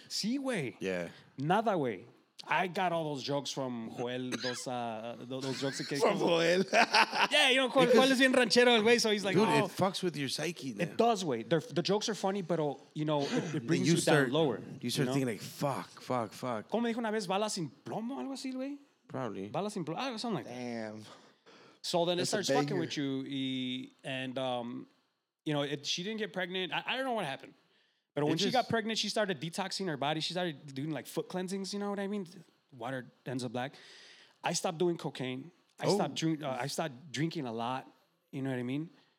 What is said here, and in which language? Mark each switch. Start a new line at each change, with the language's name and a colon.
Spanish: Sí, way.
English: Yeah.
Spanish: Nada
English: way. I got all those jokes from Joel. Those jokes.
Spanish: Que
English: from Joel. Yeah, you know, Joel is
Spanish: bien ranchero,
English: way. So he's like, dude, oh. It fucks with your psyche. Now. It does, way. The jokes are funny, but, you know, it brings you start, down lower. You start thinking like, fuck.
Spanish: ¿Cómo me dijo una vez bala sin plomo? Algo así, güey.
English: Probably.
Spanish: Bala sin plomo.
English: Something like that. Damn. So then that's it starts fucking with you. You know, she didn't get pregnant. I don't know what happened. But when she got pregnant, she started detoxing her body. She started doing, like, foot cleansings, you know what I mean? Water ends up black. I stopped doing cocaine. I stopped drinking a lot, you know what I mean?